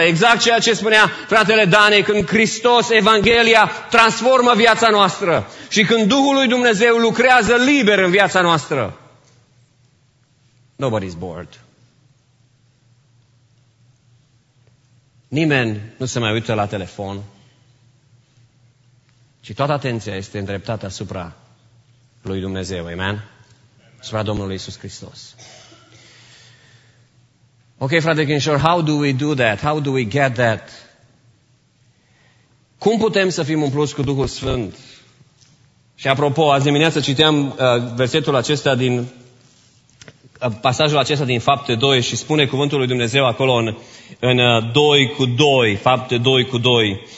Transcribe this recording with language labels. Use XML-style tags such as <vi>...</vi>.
<ro>Exact ceea ce spunea fratele Dane, când Hristos, Evanghelia, transformă viața noastră și când Duhul lui Dumnezeu lucrează liber în viața noastră.</ro> <en>Nobody's bored.</en> <ro>Nimeni nu se mai uită la telefon. Și toată atenția este îndreptată asupra lui Dumnezeu. Amen? Asupra Domnului Iisus Hristos.</ro> <en>Ok, frate Kinshore, how do we do that? How do we get that?</en> <ro>Cum putem să fim umpluți cu Duhul Sfânt? Și apropo, azi dimineață citeam versetul acesta din pasajul acesta din Fapte 2 și spune cuvântul lui Dumnezeu acolo în 2 cu 2, Fapte 2 cu 2.</ro>